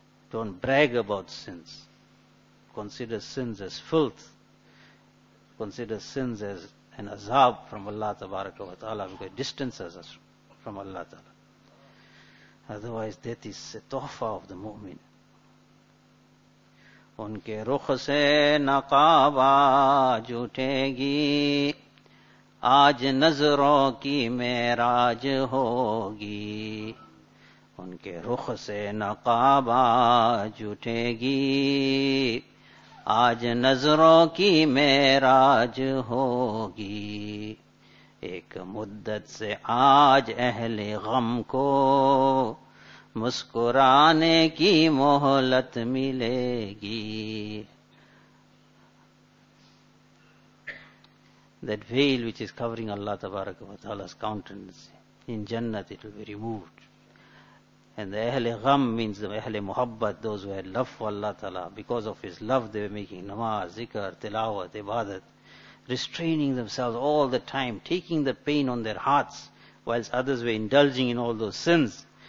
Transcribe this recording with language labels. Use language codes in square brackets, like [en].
[en] Don't brag about sins. Consider sins as filth. Consider sins as an azab from Allah Tabaraka wa Ta'ala, because it distances us from Allah Ta'ala. Otherwise, death is a tohfa of the mu'min. [ur] ان کے رخ سے نقاب آج اٹھے گی، آج نظروں کی معراج ہوگی، ان کے رخ سے نقاب آج اٹھے گی، آج نظروں کی معراج ہوگی، ایک مدت سے آج اہل غم کو مسکرانے کی مہلت ملے گی. [en] That veil which is covering Allah Tabaraka wa Ta'ala's countenance, in Jannat it will be removed. And the Ahle Gham means the Ahle Muhabbat, those who had love for Allah Ta'ala, because of His love they were making namaz, zikr, tilawat, ibadat, restraining themselves all the time, taking the pain on their hearts, whilst others were indulging in all those sins.